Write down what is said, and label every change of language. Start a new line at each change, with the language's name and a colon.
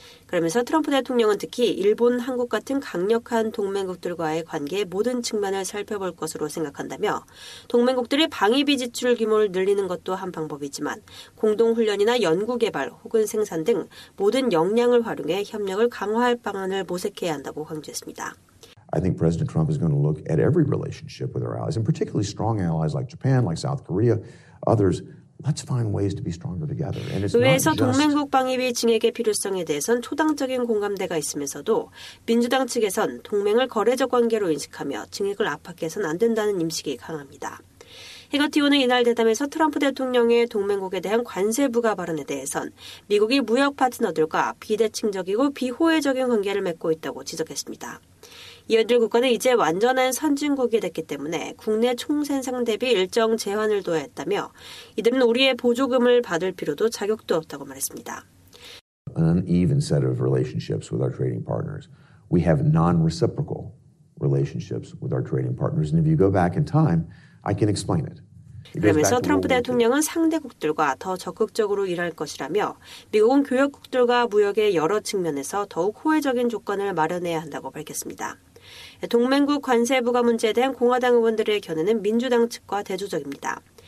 Korean: 그러면서 트럼프 대통령은 특히 일본, 한국 같은 강력한 동맹국들과의 관계의 모든 측면을 살펴볼 것으로 생각한다며 동맹국들이 방위비 지출 규모를 늘리는 것도 한 방법이지만 공동훈련이나 연구개발 혹은 생산 등 모든 역량을 활용해 협력을 강화할 방안을 모색해야 한다고 강조했습니다.
English: I think President Trump is going to look at every relationship with our allies and particularly strong allies like Japan, like South Korea, others. Let's find ways to be stronger together. And it's
Korean: 의회에서 동맹국 방위비 증액의 필요성에 대해선 초당적인 공감대가 있으면서도 민주당 측에선 동맹을 거래적 관계로 인식하며 증액을 압박해서는 안 된다는 인식이 강합니다. 해거티호는 이날 대담에서 트럼프 대통령의 동맹국에 대한 관세 부과 발언에 대해선 미국이 무역 파트너들과 비대칭적이고 비호혜적인 관계를 맺고 있다고 지적했습니다. 이어들 국가는 이제 완전한 선진국이 됐기 때문에 국내 총생산 대비 일정 제한을 둬야 했다며 이 때문에 우리의 보조금을 받을 필요도 자격도 없다고 말했습니다.
English: An uneven set of relationships with our trading partners. We have non-reciprocal relationships with our trading partners. And if you go back in time, I can explain it.
Korean: 그러면서 트럼프 대통령은 상대국들과 더 적극적으로 일할 것이라며 미국은 교역국들과 무역의 여러 측면에서 더욱 호혜적인 조건을 마련해야 한다고 밝혔습니다. 동맹국 관세 부과 문제에 대한 공화당 의원들의 견해는 민주당 측과 대조적입니다.